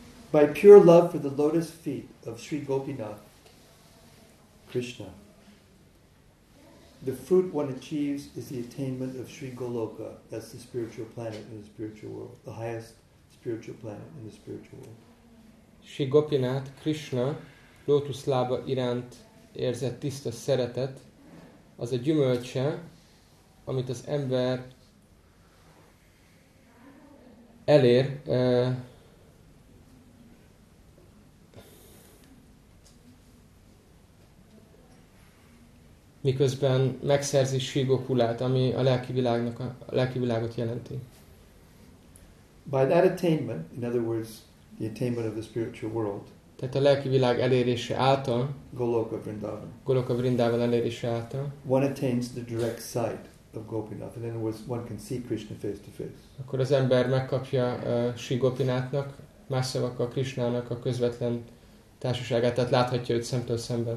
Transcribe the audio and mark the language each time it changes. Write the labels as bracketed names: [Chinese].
[English] By pure love for the lotus feet of Sri Gopinath, Krishna, the fruit one achieves is the attainment of Sri Goloka, that's the spiritual planet in the spiritual world, the highest spiritual planet in the spiritual world. [Hungarian] Sri Gopinath, Krishna, lotus lába iránt érzett tiszta szeretet, az a gyümölcse, amit az ember elér, miközben megszerzi Sri Gokulát, ami a lelki világnak a lelki világot jelenti. [English] By that attainment, in other words, the attainment of the spiritual world. [Hungarian] Tehát a lelki világ elérése által. [English] Goloka Vrindavan. [Hungarian] Goloka Vrindavan elérése által. [English] One attains the direct sight of Gopinath, and in other words, one can see Krishna face to face. [Hungarian] Akkor az ember megkapja Sri Gopinathnak, más szavakkal Krishnának a közvetlen társaságát, tehát láthatja őt szemtől szemben.